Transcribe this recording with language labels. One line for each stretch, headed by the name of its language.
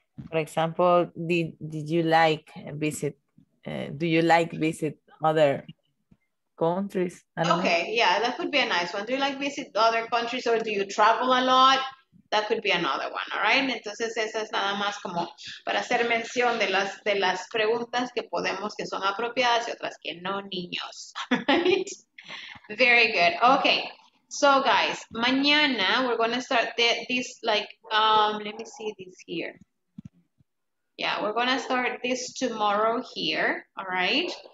English: For example, do you like visit other countries? Okay, yeah, that could be a nice one. Do you like visit other countries or do you travel a lot? That could be another one, all right?
Spanish: Entonces, esa es nada más como para hacer mención de las preguntas que podemos, que son apropiadas y otras que no, niños, right?
English: Very good. Okay, so guys, mañana we're going to start this, like, let me see this here. Yeah, we're going to start this tomorrow here, all right?